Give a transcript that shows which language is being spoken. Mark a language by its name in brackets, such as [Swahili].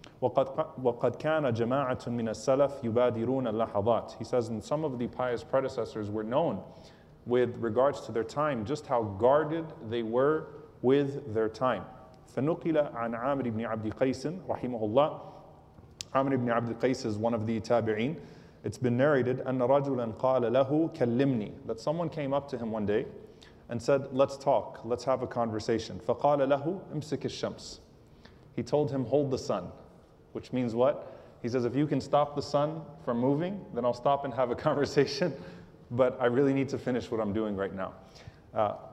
[Arabic] وَقَدْ كَانَ جَمَاعَةٌ مِنَ السَّلَفِ يُبَادِرُونَ اللَّحَظَاتِ. [English] He says, and some of the pious predecessors were known with regards to their time, just how guarded they were with their time. [Arabic] فَنُقِلَ عَنْ عَامِرِ بْنِ عَبْدِ قَيْسٍ رَحِمَهُ اللَّهِ. [English] عَامِرِ بْنِ عَبْدِ قَيْسِ is one of the tabi'een. It's been narrated, [Arabic] أَنَّ رَجُلًا قَالَ لَهُ كَلِّمْنِي. [English] That someone came up to him one day and said, let's talk, let's have a conversation. [Arabic] فَقَالَ لَهُ امْسِكِ الشَّمْسِ. [English] He told him, hold the sun, which means what? He says, if you can stop the sun from moving, then I'll stop and have a conversation, but I really need to finish what I'm doing right now.